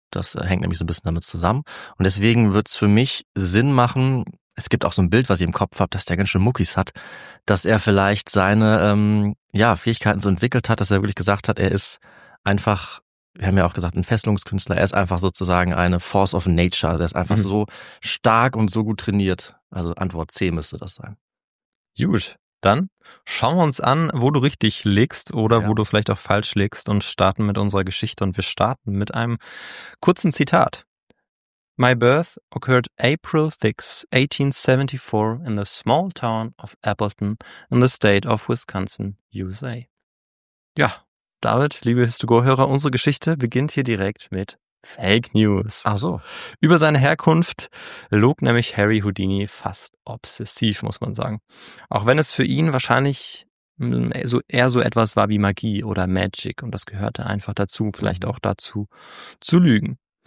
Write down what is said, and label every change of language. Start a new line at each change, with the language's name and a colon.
German: Das hängt nämlich so ein bisschen damit zusammen. Und deswegen wird es für mich Sinn machen, es gibt auch so ein Bild, was ich im Kopf habe, dass der ganz schön Muckis hat, dass er vielleicht seine Fähigkeiten so entwickelt hat, dass er wirklich gesagt hat, er ist einfach, wir haben ja auch gesagt, ein Fesselungskünstler, er ist einfach sozusagen eine
English: Force of Nature.
German: Er ist einfach so stark und so gut trainiert. Also Antwort C müsste das sein. Gut, dann schauen wir uns an, wo du richtig liegst oder wo du vielleicht auch falsch liegst und starten mit unserer Geschichte. Und wir starten mit einem kurzen Zitat.
English: My birth occurred April 6, 1874 in the small town of Appleton in the state of Wisconsin, USA.
German: Ja. David, liebe Histogor-Hörer, unsere Geschichte beginnt hier direkt mit Fake News. Ach so. Über seine Herkunft log nämlich Harry Houdini fast obsessiv, muss man sagen. Auch wenn es für ihn wahrscheinlich so eher so etwas war wie Magie oder Magic und das gehörte einfach dazu, vielleicht auch dazu zu lügen.